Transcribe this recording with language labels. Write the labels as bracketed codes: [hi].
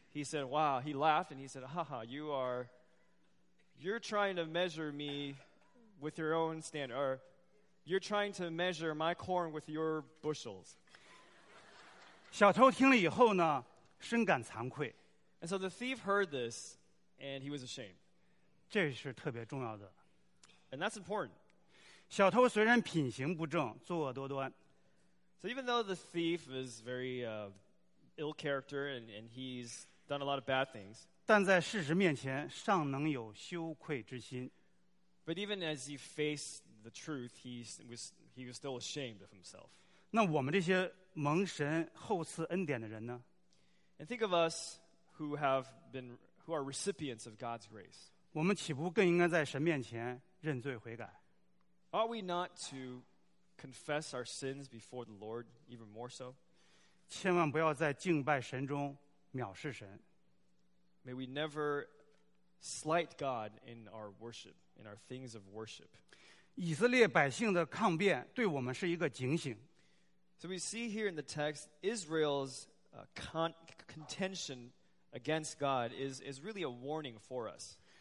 [en] He said, wow, he laughed and he said, haha, you're trying to measure me with your own standard, or you're trying to measure my corn with your bushels. [zh] 小偷听了以后呢, 深感惭愧。 [en] And so the thief heard this and he was ashamed. [zh] 这是特别重要的。 [en] And that's important. [zh] 小偷虽然品行不正, 作恶多端。 [en] So even though the thief is very ill character and he's done a lot of bad things, [zh] 但在事实面前尚能有羞愧之心。 [en] But even as he faced the truth, he was still ashamed of himself. [zh] 那我们这些蒙神厚赐恩典的人呢? [en] And think of us who are recipients of God's grace. [zh] 我们岂不更应该在神面前认罪悔改? [en] Ought we not to confess our sins before the Lord even more so? [zh] 千万不要在敬拜神中藐视神。 [en] May we never slight God in our worship, in our things of worship. [zh] 以色列百姓的抗辩对我们是一个警醒。 [en] So we see here in the text, Israel's contention against God is really a warning for us.